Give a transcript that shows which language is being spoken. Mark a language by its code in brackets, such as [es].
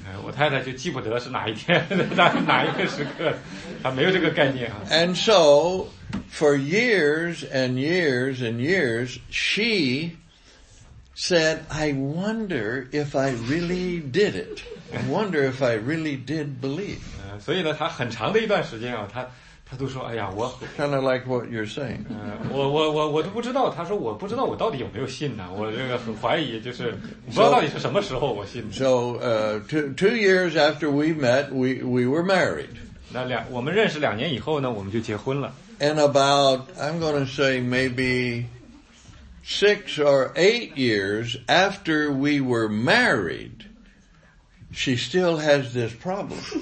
[zh] 我太太就记不得是哪一天，哪一个时刻，她没有这个概念啊。 [en] And so. For years and years and years, she said, I wonder if I really did it. I wonder if I really did believe. [zh] 所以呢，她很长的一段时间啊，她都说，哎呀，我。 [en] Kind of like what you're saying. [zh] 我都不知道，她说我不知道我到底有没有信呢，我这个很怀疑，就是不知道到底是什么时候我信。 [en] So, two years after we met, we were married. [zh] 我们认识两年以后呢，我们就结婚了。 [en] And about, I'm going to say maybe 6 or 8 years after we were married, she still has this problem.